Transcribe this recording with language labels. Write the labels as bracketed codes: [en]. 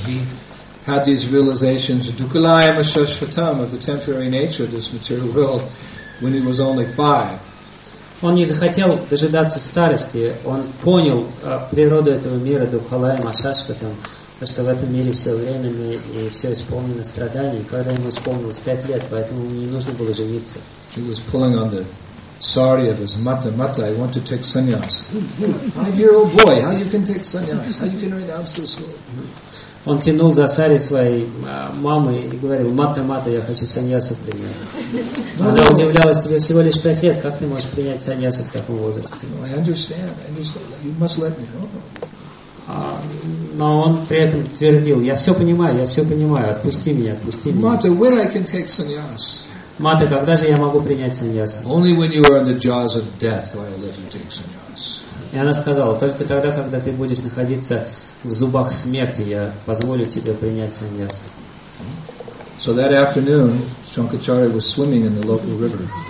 [en] He had these realizations, Dukkhalayam Ashashvatam, of the temporary nature of this material world. When he was only 5. [ru] Он не захотел дожидаться старости. Он понял природу этого мира, Дукхалаем Ашашватам, что в этом мире все временно и все исполнено страданий. Когда ему исполнилось 5 лет, поэтому ему не нужно было жениться. [en] He was pulling on the sari of his mata. Mata, I want to take sannyas. 5-year-old boy, how you can take sannyas? How you can renounce this world? [ru] Он тянул за сари своей мамы и говорил: «Мата, мата, я хочу саньяса принять». No, она удивлялась: «Тебе всего лишь 5 лет, как ты можешь принять саньяса в таком возрасте?» [en] No, I understand. You must let me know. [ru] Но он при этом твердил: «Я все понимаю, отпусти меня». [en] Mata, when I can take sannyas? [ru] Мата, когда же я могу принять саньяса? [en] Only when you are in the jaws of death will I let you take sannyas. [ru] И она сказала: только тогда, когда ты будешь находиться в зубах смерти, я позволю тебе принять саньяс. [en] So that afternoon, Shankaracharya was swimming in the local river.